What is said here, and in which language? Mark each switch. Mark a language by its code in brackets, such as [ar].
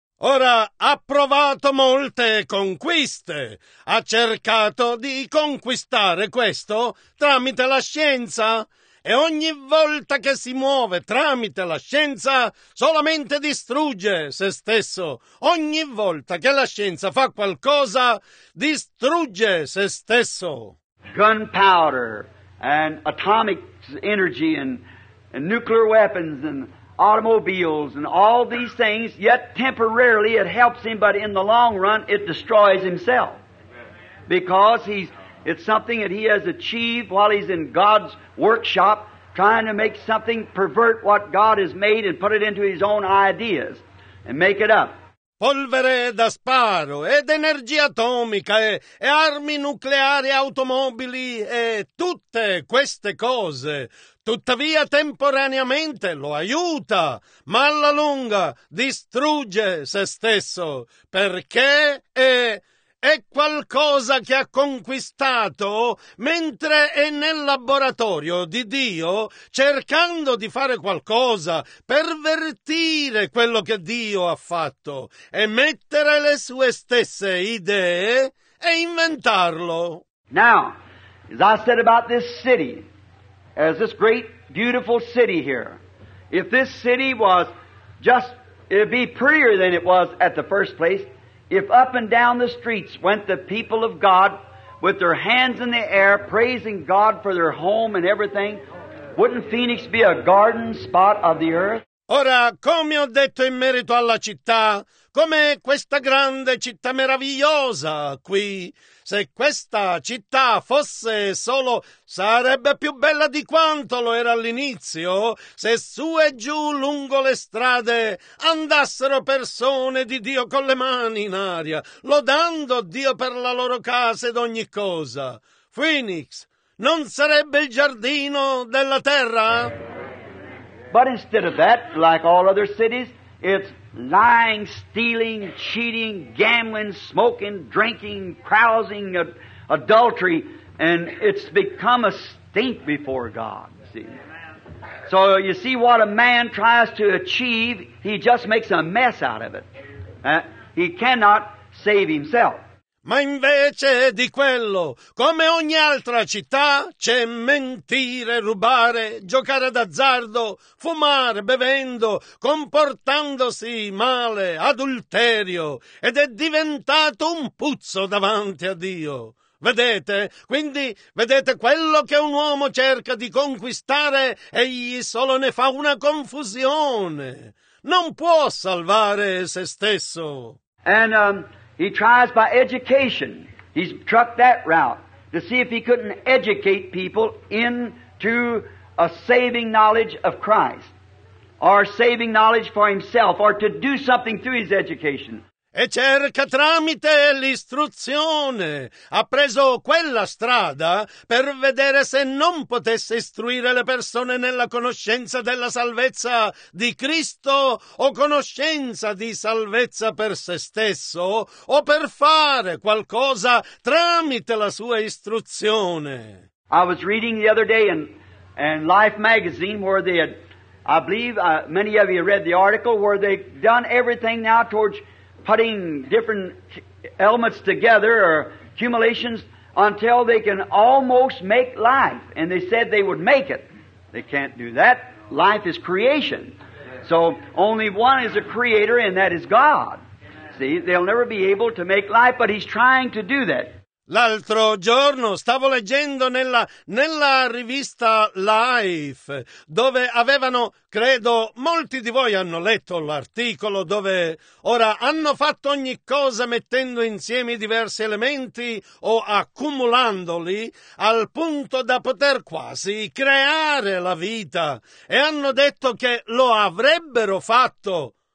[it] Ora ha provato molte conquiste, ha cercato di conquistare questo tramite la scienza e ogni volta che si muove tramite la scienza solamente distrugge se stesso. Ogni volta che la scienza fa qualcosa distrugge se stesso. [en] Gunpowder and atomic energy and nuclear weapons and automobiles and all these things, yet temporarily it helps him, but in the long run it destroys himself. Because it's something that he has achieved while he's in God's workshop, trying to make something pervert what God has made and put it into his own ideas and make it up. [it] Polvere da sparo ed energia atomica e armi nucleari, automobili e tutte queste cose. Tuttavia, temporaneamente lo aiuta, ma alla lunga distrugge se stesso, perché è qualcosa che ha conquistato mentre è nel laboratorio di Dio, cercando di fare qualcosa, pervertire quello che Dio ha fatto e mettere le sue stesse idee e inventarlo. [en] Now, as I said about this city, as this great, beautiful city here, if this city was just, it'd be prettier than it was at the first place, if up and down the streets went the people of God with their hands in the air, praising God for their home and everything, wouldn't Phoenix be a garden spot of the earth? [it] Ora, come ho detto in merito alla città, com'è questa grande città meravigliosa qui? Se questa città fosse solo, sarebbe più bella di quanto lo era all'inizio, se su e giù lungo le strade andassero persone di Dio con le mani in aria, lodando Dio per la loro casa ed ogni cosa. Phoenix, non sarebbe il giardino della terra? [en] But instead of that, like all other cities, it's lying, stealing, cheating, gambling, smoking, drinking, carousing, adultery, and it's become a stink before God, see. So you see, what a man tries to achieve, he just makes a mess out of it. He cannot save himself. [it] Ma invece di quello, come ogni altra città, c'è mentire, rubare, giocare d'azzardo, fumare, bevendo, comportandosi male, adulterio, ed è diventato un puzzo davanti a Dio. Vedete? Quindi, vedete, quello che un uomo cerca di conquistare, egli solo ne fa una confusione. Non può salvare se stesso. [en] And he tries by education. He's struck that route to see if he couldn't educate people into a saving knowledge of Christ, or saving knowledge for himself, or to do something through his education. [it] E cerca tramite l'istruzione. Ha preso quella strada per vedere se non potesse istruire le persone nella conoscenza della salvezza di Cristo, o conoscenza di salvezza per se stesso, o per fare qualcosa tramite la sua istruzione. [en] I was reading the other day in Life magazine where they had, I believe many of you read the article, where they've done everything now towards putting different elements together or accumulations until they can almost make life. And they said they would make it. They can't do that. Life is creation. So only one is a creator, and that is God. See, they'll never be able to make life, but he's trying to do that. [it] L'altro giorno stavo leggendo nella rivista Life, dove avevano, credo, molti di voi hanno letto l'articolo, dove ora hanno fatto ogni cosa mettendo insieme i diversi elementi o accumulandoli al punto da poter quasi creare la vita, e hanno detto che lo avrebbero fatto.